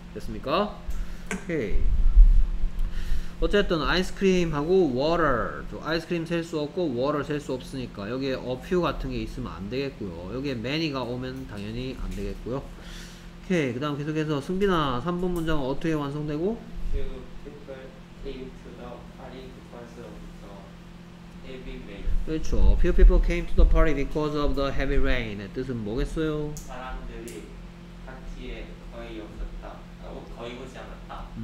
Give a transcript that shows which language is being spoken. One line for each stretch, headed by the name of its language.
Korean: 됐습니까? 오케이. 어쨌든 아이스크림하고 water. 아이스크림 셀 수 없고 water 셀 수 없으니까 여기에 a few 같은 게 있으면 안 되겠고요. 여기에 many가 오면 당연히 안 되겠고요. 오케이. 그다음 계속해서 승빈아, 3번 문장 어떻게 완성되고?
English: Two people came to the party because of the heavy rain.
Korean: 그렇죠.
English: Few people came to the party because of the heavy rain.
Korean: 뜻은 뭐겠어요? 사람들이 파티에 거의 없었다. 거의 오지 않았다.